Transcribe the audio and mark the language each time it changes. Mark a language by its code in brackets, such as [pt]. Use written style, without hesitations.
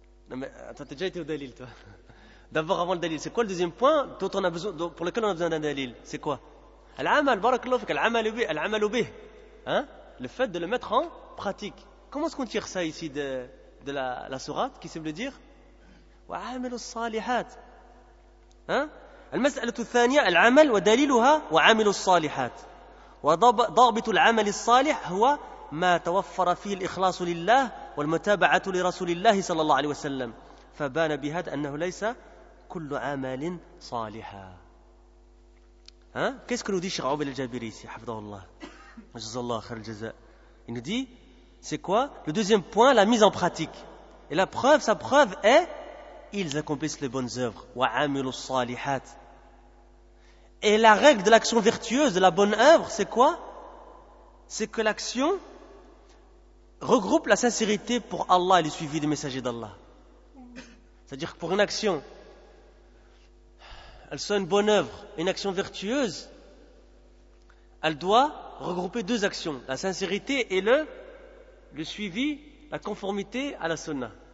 [fr] Non mais attends, t'as déjà été au dalil toi. D'abord avant le dalil, c'est quoi le deuxième point dont on a besoin, pour lequel on a besoin d'un dalil? C'est quoi? Al-amal, barakallahu fik, al-amal bih. Hein? Le fait de le mettre en pratique. Comment est-ce qu'on tire ça ici de la sourate? Qui semble dire? [ar] Wa'amilu s-salihat. [fr] Hein? [ar] المسألة الثانية العمل ودليلها وعمل الصالحات وضابط العمل الصالح هو ما توفر فيه الإخلاص لله والمتابعة لرسول الله صلى الله عليه وسلم فبان بهذا أنه ليس كل عمل صالحا ها؟ كيف كنت أقول شيخ عبد الجابري حفظه الله جزا الله خير الجزاء [fr] il nous dit c'est quoi le deuxième point la mise en pratique et la preuve sa preuve est ils accomplissent les bonnes œuvres [ar] وعمل الصالحات. [fr] Et la règle de l'action vertueuse, de la bonne œuvre, c'est quoi? C'est que l'action regroupe la sincérité pour Allah et le suivi des messagers d'Allah. C'est-à-dire que pour une action, elle soit une bonne œuvre, une action vertueuse, elle doit regrouper deux actions, la sincérité et le suivi, la conformité à la sunna.